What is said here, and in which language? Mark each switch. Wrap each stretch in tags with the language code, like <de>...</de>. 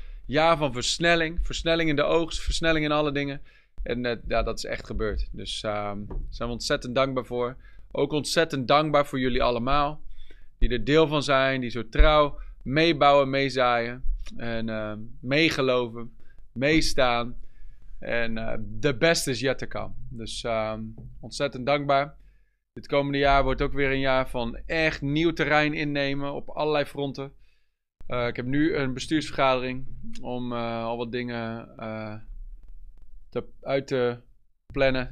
<nl>Jaar van versnelling. Versnelling in de oogst, versnelling in alle dingen. En ja, dat is echt gebeurd. Dus daar zijn we ontzettend dankbaar voor. Ook ontzettend dankbaar voor jullie allemaal. Die er deel van zijn. Die zo trouw meebouwen, meezaaien. En meegeloven. Meestaan.</nl> <en>En the best is yet to come.</en> <nl>Dus ontzettend dankbaar. Dit komende jaar wordt ook weer een jaar van echt nieuw terrein innemen. Op allerlei fronten. Ik heb nu een bestuursvergadering om al wat dingen uit te plannen.</nl>